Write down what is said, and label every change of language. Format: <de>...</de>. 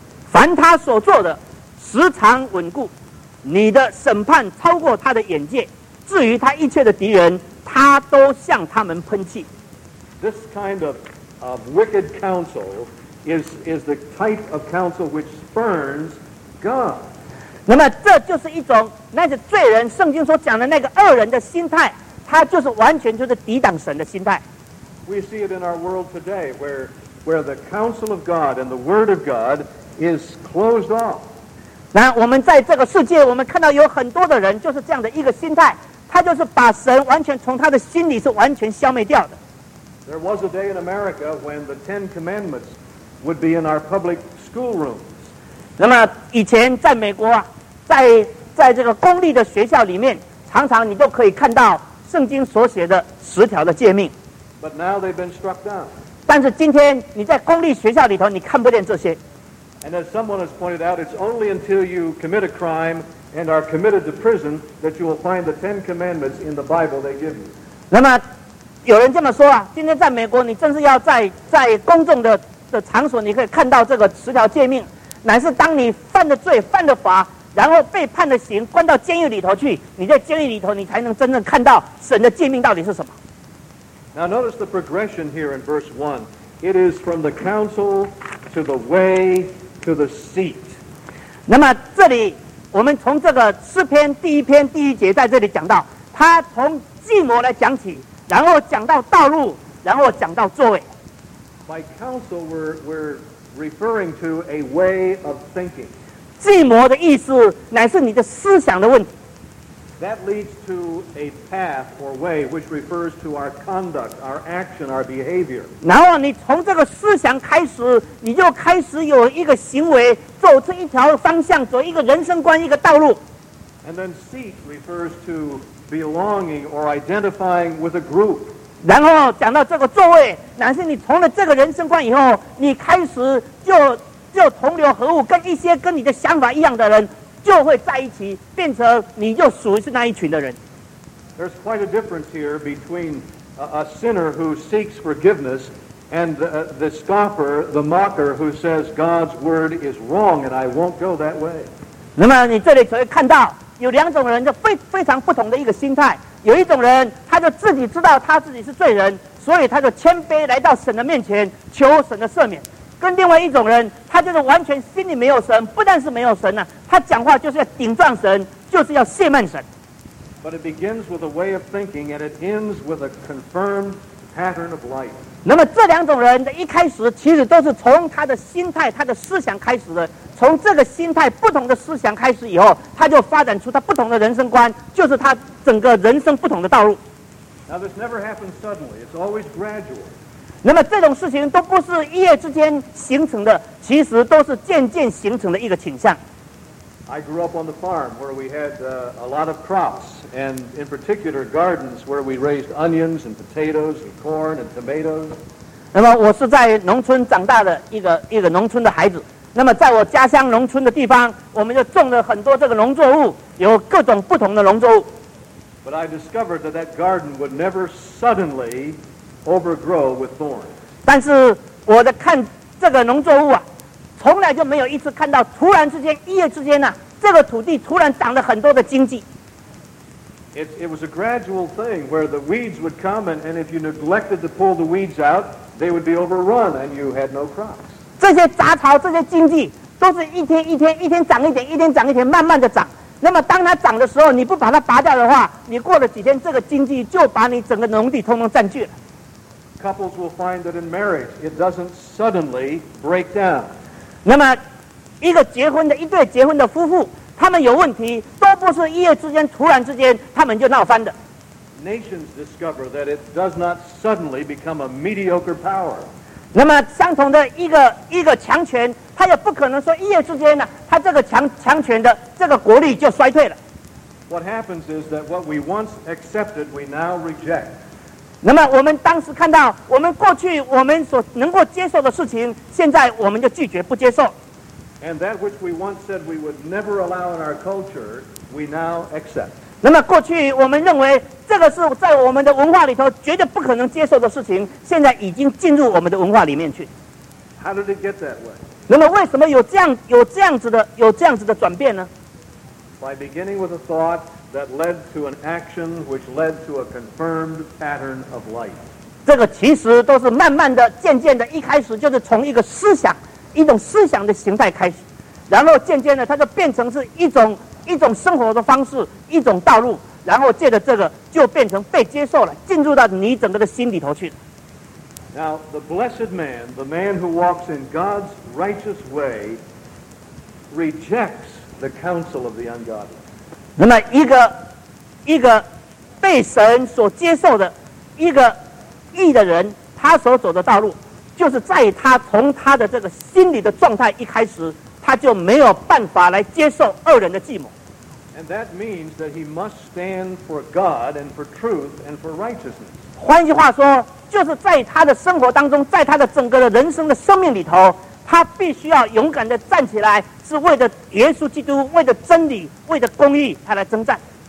<zh>凡他所做的时常稳固，你的审判超过他的眼界。至于他一切的敌人，他都向他们喷气。</zh> <en>This kind of wicked counsel is the type of counsel which spurns God.</en> <zh>那么这就是一种那是罪人圣经所讲的那个恶人的心态，他就是完全就是抵挡神的心态。</zh> <en>We see it in our world today where the counsel of God and the word of God is closed off.</en> <zh>那我们在这个世界我们看到有很多的人就是这样的一个心态，他就是把神完全从他的心里是完全消灭掉的。</zh> <en>There was a day in America when the Ten Commandmentswould be in our public schoolrooms.</en> <zh>那么以前在美国啊，在这个公立的学校里面，常常你都可以看到圣经所写的十条的诫命。</zh> <en>But now they've been struck down.</en> <zh>但是今天你在公立学校里头，你看不见这些。</zh> <en>And as someone has pointed out, it's only until you commit a crime and are committed to prison that you will find the Ten Commandments in the Bible they give you.</en> <zh>那么有人这么说啊，今天在美国，你真是要在公众的场所你可以看到这个十条诫命，乃是当你犯的罪犯的罚然后被判的刑关到监狱里头去，你在监狱里头你才能真正看到神的诫命到底是什么。</zh> <en>Now notice the progression here in verse 1. It is from the counsel to the way to the seat.</en> <zh>那么这里我们从这个诗篇第一篇第一节在这里讲到，他从计谋来讲起，然后讲到道路，然后讲到座位。</zh> <en>By counsel, we're referring to a way of thinking.</en> <zh>计谋的意思乃是你的思想的问题。</zh> <en>That leads to a path or way which refers to our conduct, our action, our behavior.</en> <zh>然后你从这个思想开始，你就开始有一个行为，走出一条方向，走一个人生观，一个道路。</zh> <en>And then seat refers to belonging or identifying with a group.</en> <zh>然后讲到这个座位，乃是你从了这个人生观以后，你开始就同流合污，跟一些跟你的想法一样的人就会在一起，变成你就属于是那一群的人。</zh> <en>There's quite a difference here between a sinner who seeks forgiveness And the scoffer, the mocker who says God's word is wrong and I won't go that way.</en> <zh>那么你这里可以看到有两种人就非常不同的一个心态。有一种人他就自己知道他自己是罪人，所以他就谦卑来到神的面前求神的赦免。跟另外一种人，他就是完全心里没有神，不但是没有神啊，他讲话就是要顶撞神，就是要亵慢神。</zh> <en>But it begins with a way of thinking and it ends with a confirmed pattern of life.</en> <zh>那么这两种人的一开始其实都是从他的心态，他的思想开始的。从这个心态不同的思想开始以后，他就发展出他不同的人生观，就是他整个人生不同的道路。</zh> <en>Now this never happens suddenly, it's always gradual.</en> <zh>那么这种事情都不是一夜之间形成的，其实都是渐渐形成的一个倾向。</zh> <en>I grew up on the farm where we had a lot of crops, and in particular gardens where we raised onions and potatoes and corn and tomatoes.</en> <zh>那么我是在农村长大的一个农村的孩子。那么在我家乡农村的地方，我们就种了很多这个农作物，有各种不同的农作物。</zh> <en>But I discovered that that garden would never suddenly overgrow with thorns.</en> <zh>但是我的看这个农作物啊，从来就没有一次看到突然之间一夜之间呢、啊，这个土地突然长了很多的荆棘。</zh> <en>It was a gradual thing where the weeds would come and if you neglected to pull the weeds out, they would be overrun and you had no crops.</en> <zh>这些杂草这些荆棘都是一天一天一天长一点一天长一点慢慢的长，那么当它长的时候你不把它拔掉的话，你过了几天这个荆棘就把你整个农地统统占据了。</zh> <en>Couples will find that in marriage it doesn't suddenly break down.</en> <zh>那么一对结婚的夫妇，他们有问题都不是一夜之间突然之间他们就闹翻的。</zh> <en>Nations discover that it does not suddenly become a mediocre power.</en> <zh>那么相同的一个强权，他也不可能说一夜之间呢、啊、他这个强权的这个国力就衰退了。</zh> <en>What happens is that what we once accepted we now reject.</en> <zh>那么我们当时看到我们过去我们所能够接受的事情，现在我们就拒绝不接受。</zh> <en>And that which we once said we would never allow in our culture we now accept.</en> <zh>那么过去我们认为这个是在我们的文化里头绝对不可能接受的事情，现在已经进入我们的文化里面去。</zh> <en>How did it get that way?</en> <zh>那么为什么有这样子的转变呢？</zh> <en>By beginning with a thought that led to an action which led to a confirmed pattern of life.</en> <zh>这个其实都是慢慢的渐渐的，一开始就是从一个思想一种思想的形态开始，然后渐渐的它就变成是一种生活的方式，一种道路，然后借着这个就变成被接受了，进入到你整个的心里头去了。</zh> <en>Now the blessed man, the man who walks in God's righteous way, rejects the counsel of the ungodly.</en> <zh>那么一个被神所接受的一个义的人，他所走的道路就是在他从他的这个心里的状态一开始，他就没有办法来接受恶人的计谋。</zh> <en>And that means that he must stand for God and for truth and for righteousness.</en> <zh>换句话说，就是在他的生活当中，在他的整个的人生的生命里头，他必须要勇敢地站起来，是为着耶稣基督，为着真理，为着公义，他来征战。</zh>